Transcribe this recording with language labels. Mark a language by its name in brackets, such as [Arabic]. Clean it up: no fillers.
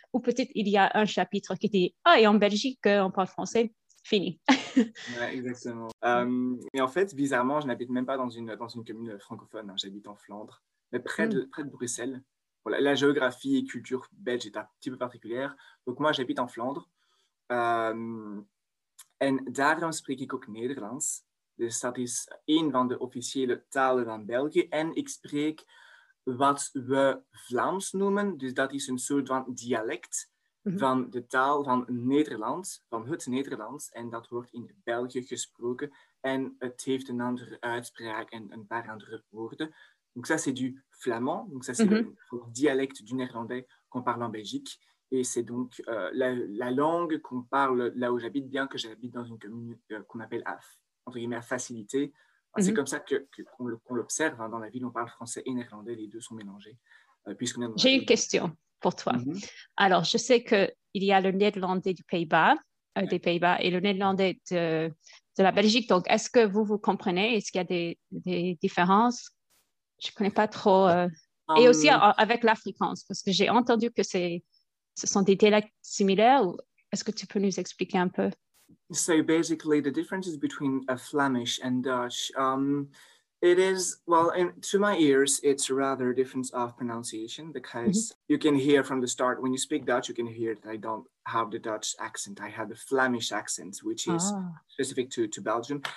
[French] Ou peut-être il y a un chapitre qui dit « Ah, et en Belgique, on parle français ». Fini. Exactement. Et en fait, bizarrement, je n'habite même pas dans une commune francophone. Hein. J'habite en Flandre, mais près de Bruxelles. Voilà, la géographie et culture belge est un petit peu particulière. Donc moi, j'habite en Flandre. [Dutch] En daarom spreek ik ook Nederlands. Dus dat is een van de officiële talen van België. En ik spreek wat we Vlaams noemen. Dus dat is een soort van dialect. Van de taal van Nederland, van het Nederlands. En dat wordt in België gesproken. En het heeft een andere uitspraak en een paar andere woorden. [French] Donc ça, c'est du flamand. Donc ça, c'est le dialect du néerlandais qu'on parle en Belgique. Et c'est donc la langue qu'on parle là où j'habite, bien que j'habite dans une commune qu'on appelle « facilité ». C'est comme ça qu'on l'observe. Hein. Dans la ville, on parle français et néerlandais. Les deux sont mélangés. Puisqu'on est dans J'ai une question. Pour toi. Alors, je sais qu'il y a le néerlandais du Pays-Bas, des Pays-Bas et le néerlandais de la Belgique. Donc, est-ce que vous comprenez? Est-ce qu'il y a des différences? Je ne connais pas trop. Et aussi avec l'afrikaans, parce que j'ai entendu que ce sont des dialectes similaires. Ou est-ce que tu peux nous expliquer un peu? [English] So, basically, the differences between Flemish and Dutch, it is, well, to my ears, it's rather a difference of pronunciation because you can hear from the start, when you speak Dutch, you can hear that I don't have the Dutch accent. I have the Flemish accent, which is specific to Belgium.